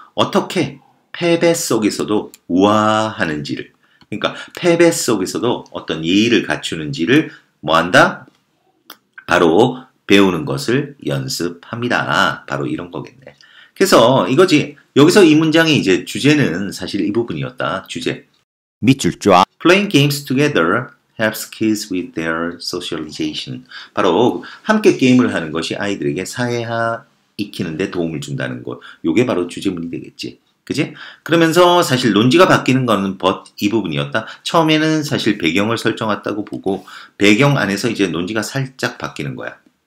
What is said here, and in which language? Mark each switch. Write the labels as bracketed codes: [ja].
[ko] 어떻게 패배 속에서도 우아하는지를. 그러니까 패배 속에서도 어떤 예의를 갖추는지를 뭐한다? 바로 배우는 것을 연습합니다. 바로 이런 거겠네. 그래서 이거지. 여기서 이 문장의 이제 주제는 사실 이 부분이었다. 주제. 밑줄 쫙. [en] Playing games together helps kids with their socialization. [ko] 바로 함께 게임을 하는 것이 아이들에게 사회화 익히는 데 도움을 준다는 것. 요게 바로 주제문이 되겠지. 그지? 그러면서 사실 논지가 바뀌는 거는 but 이 부분이었다. 처음에는 사실 배경을 설정했다고 보고 배경 안에서 이제 논지가 살짝 바뀌는 거야.